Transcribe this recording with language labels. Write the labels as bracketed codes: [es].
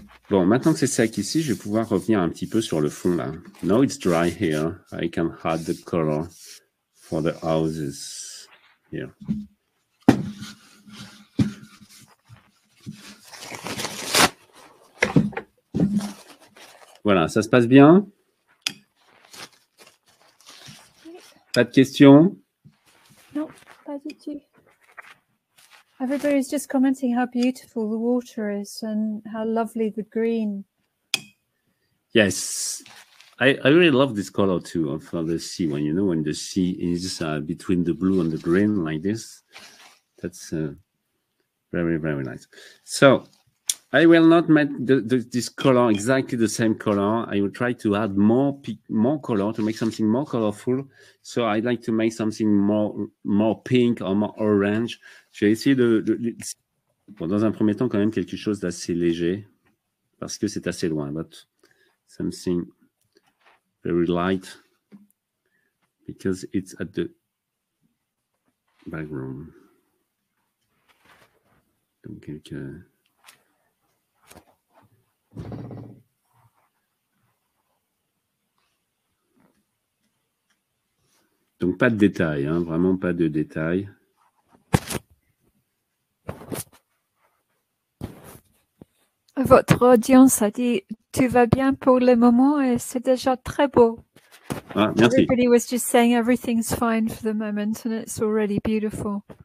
[fr] Bon, maintenant que c'est sec ici, je vais pouvoir revenir un petit peu sur le fond là. [en] Now it's dry here. I can add the color for the houses here. [fr] Voilà, ça se passe bien. Pas de questions? Non, pas du tout. [en] Everybody's just commenting how beautiful the water is and how lovely the green. Yes, I really love this color too of the sea. When you know when the sea is between the blue and the green like this, that's very very nice. So. I will not make this color exactly the same color. I will try to add more color to make something more colorful. So I'd like to make something more pink or more orange. [fr] Je vais essayer de dans un premier temps quand même quelque chose d'assez léger parce que c'est assez loin. [en] But something very light because it's at the background. [fr] Donc quelque Donc pas de détails, hein, vraiment pas de détails. Votre audience a dit tu vas bien pour le moment et c'est déjà très beau. Merci. [en] Everybody was just saying everything's fine for the moment and it's already beautiful.